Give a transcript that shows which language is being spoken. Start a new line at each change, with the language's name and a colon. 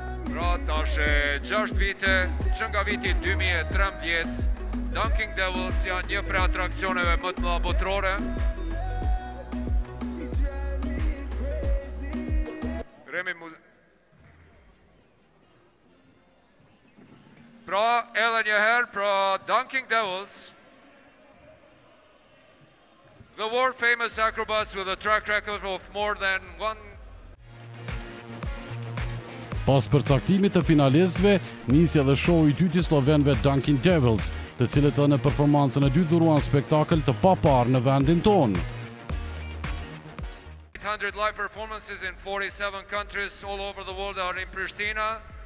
Albanian: Pra tash e 6 vite që nga viti 2013 Dunking Devils janë një prej atrakcioneve më të mëdha botërore. Pra edhe një herë pra Dunking Devils.
English: The world famous acrobats with a track record of more than one.
Albanian: Pas përcaktimit të finalesve, nisi edhe show i dytë i slovenëve Dunkin' Devils, të cilët edhe në performancën e dytë dhuruan spektakël të papar në vendin tonë.
English: 800 live performances in 47 countries all over the world are in Pristina.